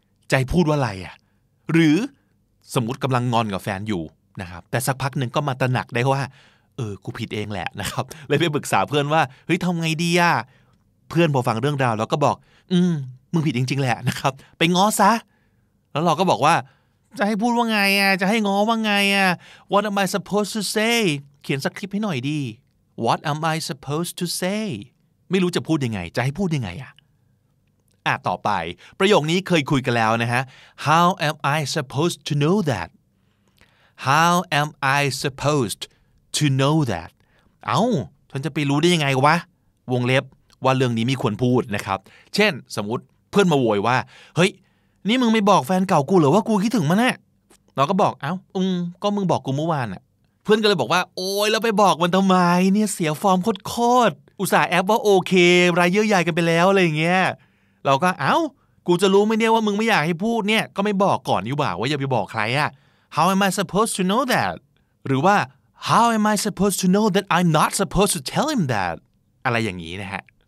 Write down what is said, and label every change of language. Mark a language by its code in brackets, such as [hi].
[th] ใจพูดว่าอะไรอ่ะหรือสมมุติกำลังงอนกับแฟนอยู่นะครับแต่สักพักหนึ่งก็มาตระหนักได้ว่ากูผิดเองแหละนะครับเลยไปปรึกษาเพื่อนว่าเฮ้ยทำไงดีอ่ะเพื่อนพอฟังเรื่องราวแล้วก็บอกมึงผิดจริงๆแหละนะครับไปง้อซะแล้วเราก็บอกว่าจะให้พูดว่าไงอ่ะจะให้ง้อว่าไงอ่ะ [en] What am I supposed to say? [th] เขียนสักคลิปให้หน่อยดี [en] What am I supposed to say? [th] ไม่รู้จะพูดยังไงจะให้พูดยังไงอ่ะต่อไปประโยคนี้เคยคุยกันแล้วนะฮะ [en] How am I supposed to know that? How am I supposed to know that? [th] เอ้าฉันจะไปรู้ได้ยังไงวะวงเล็บว่าเรื่องนี้มีควรพูดนะครับเช่นสมมุติเพื่อนมาโวยว่าเฮ้ยนี่มึงไม่บอกแฟนเก่ากูหรือว่ากูคิดถึงมันแน่เราก็บอกเอ้า ก็มึงบอกกูเมื่อวานอ่ะเพื่อนก็เลยบอกว่าโอ๊ยแล้วไปบอกมันทำไมเนี่ยเสียฟอร์มโคตรอุตส่าห์แอปว่าโอเครายเยอะใหญ่กันไปแล้วอะไรอย่างเงี้ยเราก็เอ้ากูจะรู้ไหมเนี่ยว่ามึงไม่อยากให้พูดเนี่ยก็ไม่บอกก่อนอยู่บ่าว่าอย่าไปบอกใครอ่ะ [en] How am I supposed to know that [th] หรือว่า [en] How am I supposed to know that I'm not supposed to tell him that [th] อะไรอย่างนี้นะฮะ